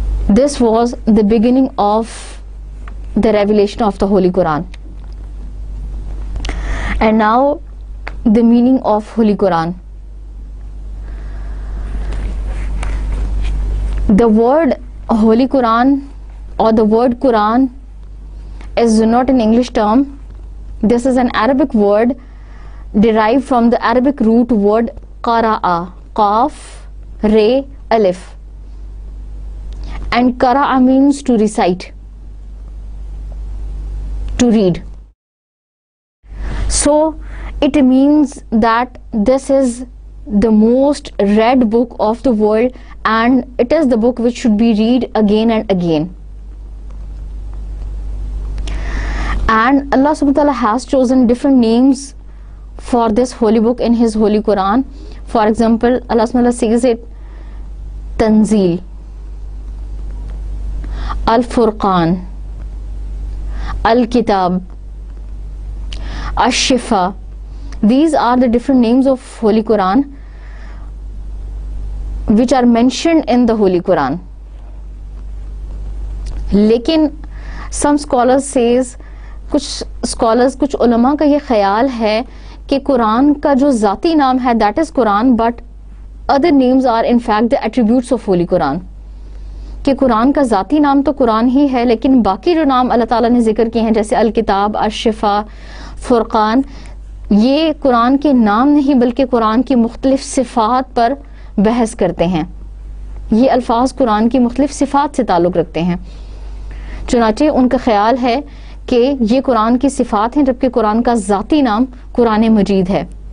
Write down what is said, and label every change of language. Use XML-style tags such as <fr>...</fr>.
<en>this was the beginning of the revelation of the Holy Quran and now the meaning of Holy Quran the word Holy Quran or the word Quran is not an English term. This is an Arabic word derived from the Arabic root word qara'a, qaf, re, alif. And qara'a means to recite, to read. So it means that this is the most read book of the world and it is the book which should be read again and again. And Allah subhanahu wa ta'ala has chosen different names for this holy book in his holy Quran. For example, Allah subhanahu wa ta'ala says it, Tanzeel, Al-Furqan, Al-Kitab, Ash-Shifa. These are the different names of holy Quran which are mentioned in the holy Quran.</en> <ur>Lekin</ur> <en>some scholars says,</en> <ur>کچھ scholars کچھ علماء کا یہ خیال ہے کہ قرآن کا جو ذاتی نام ہے</ur> <en>that is قرآن but other names are in fact the attributes of holy قرآن</en> <ur>کہ قرآن کا ذاتی نام تو قرآن ہی ہے لیکن باقی جو نام اللہ تعالیٰ نے ذکر کی ہیں جیسے الکتاب الشفا فرقان یہ قرآن کے نام نہیں بلکہ قرآن کی مختلف صفات پر بحث کرتے ہیں یہ الفاظ قرآن کی مختلف صفات سے تعلق رکھتے ہیں چنانچہ ان کا خیال ہے کہ یہ قرآن کی صفات ہیں جبکہ قرآن کا ذاتی نام قرآن مجید ہے</ur>